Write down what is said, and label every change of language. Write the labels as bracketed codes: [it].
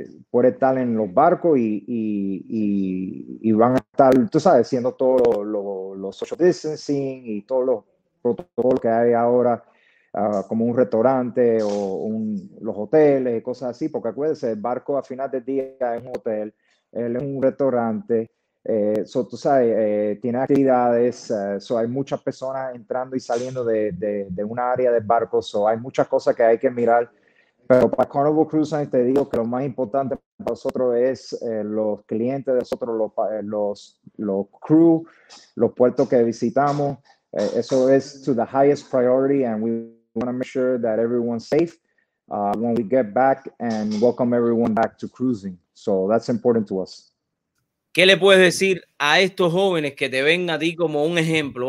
[es] por estar en los barcos y van a estar, tú sabes, haciendo todo lo social distancing y todos los protocolos que hay ahora, como un restaurante o los hoteles y cosas así, porque acuérdense, el barco a final del día es un hotel, es un restaurante, tú sabes, tiene actividades, hay muchas personas entrando y saliendo de un área del barco, hay muchas cosas que hay que mirar. Pero para Carnival Cruise Lines te digo que lo más importante para nosotros es los clientes de nosotros, los crew, los puertos que visitamos. Eso es [en] to the highest priority, and we want to make sure that everyone's safe when we get back and welcome everyone back to cruising. So that's important to us. [es] ¿Qué le puedes decir a estos jóvenes que te ven a ti como un ejemplo?